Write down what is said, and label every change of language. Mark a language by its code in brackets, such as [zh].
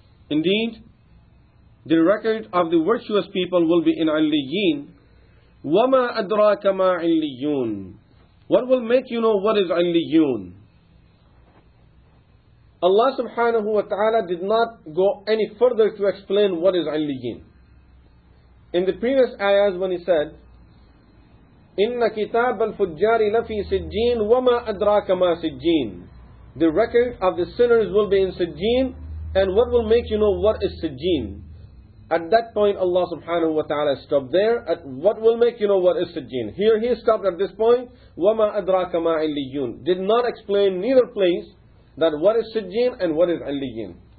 [en] Indeed, the record of the virtuous people will be in عَلِّيِّين. [ar] وَمَا أَدْرَاكَ مَا عَلِّيُّونَ. [en] What will make you know what is عَلِّيُّون? Allah subhanahu wa ta'ala did not go any further to explain what is عَلِّيِّين. In the previous ayahs when he said, [ar] إِنَّ كِتَابَ الْفُجَّارِ لَفِي سِجِّينَ وَمَا أَدْرَاكَ مَا سِجِّينَ. [en] The record of the sinners will be in Sijjin, and what will make you know what is Sijjin? At that point Allah subhanahu wa ta'ala stopped there. At what will make you know what is Sijjin? Here he stopped at this point. [ar] وَمَا أَدْرَاكَ مَا عِلِّيُّونَ. [en] Did not explain neither place that what is Sijjin and what is عِلِّيُّونَ.